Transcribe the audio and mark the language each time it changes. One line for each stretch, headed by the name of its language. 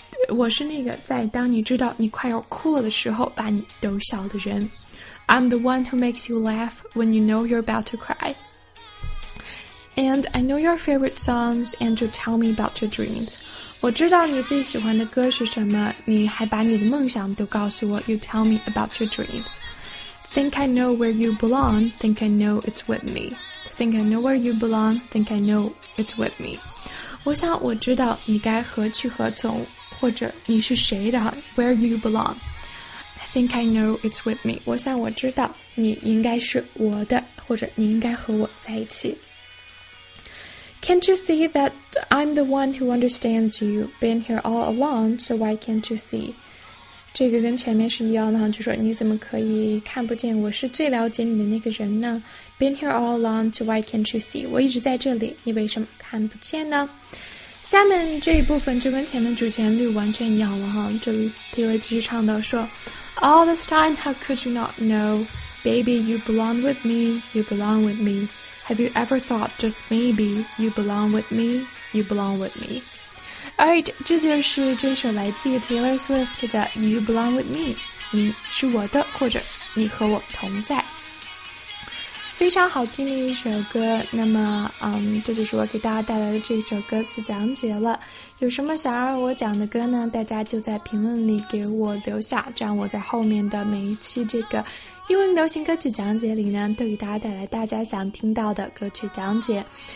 Chinese: 我是那个在当你知道你快要哭了的时候把你逗笑的人。
English: I'm the one who makes you laugh when you know you're about to cry. And I know your favorite songs and you tell me about your dreams.
Chinese: 我知道你最喜欢的歌是什么你还把你的梦想都告诉我
English: You tell me about your dreams. Think I know where you belong, think I know it's with me. Think I know where you belong, think I know it's with me.
Chinese: 我想我知道你该何去何从或者你是谁的
English: Where you belong. Think I know it's with me.
Chinese: 我想我知道你应该是我的，或者你应该和我在一起。
English: Can't you see that I'm the one who understands you? Been here all along, so why can't you see?
Chinese: 这个跟前面是一样的，就说你怎么可以看不见我是最了解你的那个人呢 ？
English: Been here all along, so why can't you see?
Chinese: 我一直在这里，你为什么看不见呢？下面这一部分就跟前面主旋律完全一样了哈。这里第二句唱到说。
English: All this time, how could you not know? Baby, you belong with me, you belong with me. Have you ever thought just maybe you belong with me, you belong with me? Alright,
Chinese: 这就是这首来自于 Taylor Swift 的 You Belong With Me, 你是我的或者你和我同在。非常好听的一首歌那么这就是我给大家带来的这首歌词讲解了有什么想让我讲的歌呢大家就在评论里给我留下这样我在后面的每一期这个英文流行歌曲讲解里呢都给大家带来大家想听到的歌曲讲解